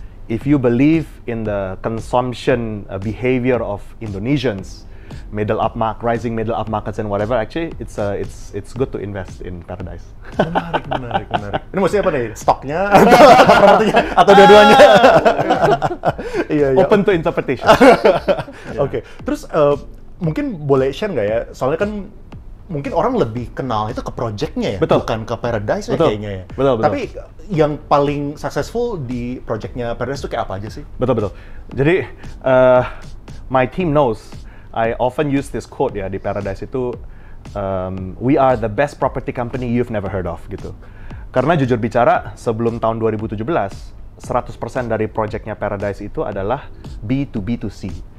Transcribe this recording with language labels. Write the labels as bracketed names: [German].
[English] If you believe in the consumption behavior of Indonesians, middle up market, rising middle up markets and whatever, actually it's good to invest in Paradise. [Indonesian] Menarik. Ini maksudnya apa nih? Stoknya atau dua-duanya? [English] Iya. Open to interpretation. [Indonesian] Okay. Terus mungkin boleh share nggak ya? Soalnya kan mungkin orang lebih kenal itu ke projectnya ya, betul. Bukan ke Paradise ya, betul. Kayaknya ya. Betul. Tapi yang paling successful di projectnya Paradise itu kayak apa aja sih? [English] Betul. Jadi my team knows. I often use this quote ya di Paradise itu, we are the best property company you've never heard of gitu. [Indonesian] Karena jujur bicara, sebelum tahun 2017, 100% dari projectnya Paradise itu adalah B2B2C.